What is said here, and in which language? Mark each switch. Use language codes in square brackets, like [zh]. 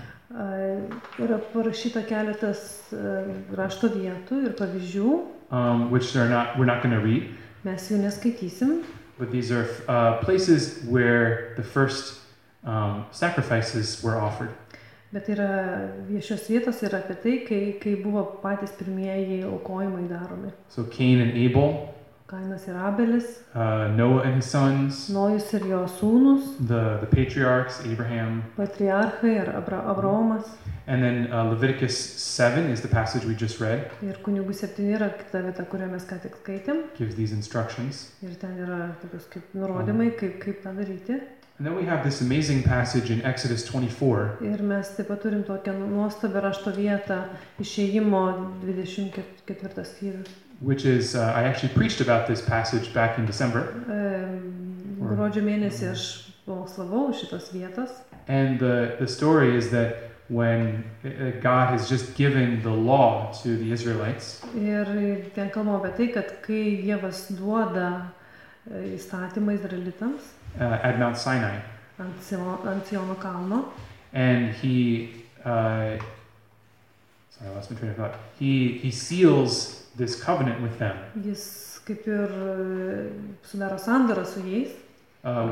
[lt] Yra parašyta keletas rašto vietų ir pavyzdžių. [en] Which are not, we're not going to read. [lt] Mes jų neskaitysim. [en] But these are places where the first sacrifices were offered. [lt] Bet yra viešos vietos ir apie tai, kai buvo patys pirmieji aukojimai daromi. [en] So Cain and Abel. [lt] Kainas ir Abelis. [en] Noah and his sons. [lt] Nojus ir jo sūnus. [en] The patriarchs, Abraham. [lt] Patriarchai ir Abraomas. [en] And then Leviticus 7 is the passage we just read. [lt] Ir Kunigų 7 yra kita vieta, kurią mes ką tik skaitėm. [en] Gives these instructions. [lt] Ir ten yra tokios kaip nurodymai, kaip tą daryti. [en] And then we have this amazing passage in Exodus 24. [lt] Ir mes taip pat turim tokią nuostabią rašto vietą Išėjimo 24 skyrių. [en] Which is I actually preached about this passage back in December. [lt] Gruodžio mėnesį aš pamokslavau šitos vietos. [en] And the story is that when God has just given the law to the Israelites. [lt] Ir ten kalbama apie tai, kad kai Dievas duoda įstatymą Izraelitams. [en] At Mount Sinai. [lt] Ant Siono kalno. [en] And he, sorry, I lost my train of thought. He seals this covenant with them. [lt] Jis kaip ir sudaro sandorą su jais.